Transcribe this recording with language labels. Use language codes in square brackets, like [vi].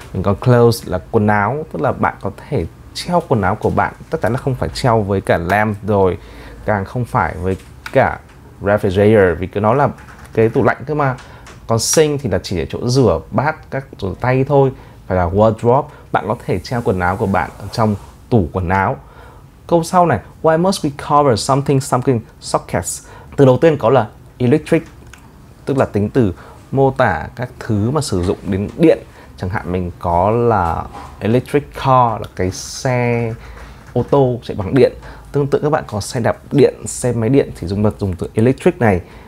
[vi] Mình có close là quần áo, tức là bạn có thể treo quần áo của bạn, tất cả là không phải treo với cả lamp rồi, càng không phải với cả refrigerator vì nó là cái tủ lạnh cơ mà. Còn sink thì là chỉ để chỗ rửa bát, các rửa tay thôi, phải là wardrobe. Bạn có thể treo quần áo của bạn ở trong tủ quần áo. Câu sau này, [en] why must we cover something sockets? [vi] Từ đầu tiên có là electric, tức là tính từ mô tả các thứ mà sử dụng đến điện. Chẳng hạn mình có là electric car, là cái xe ô tô chạy bằng điện. Tương tự các bạn có xe đạp điện, xe máy điện thì dùng từ electric này.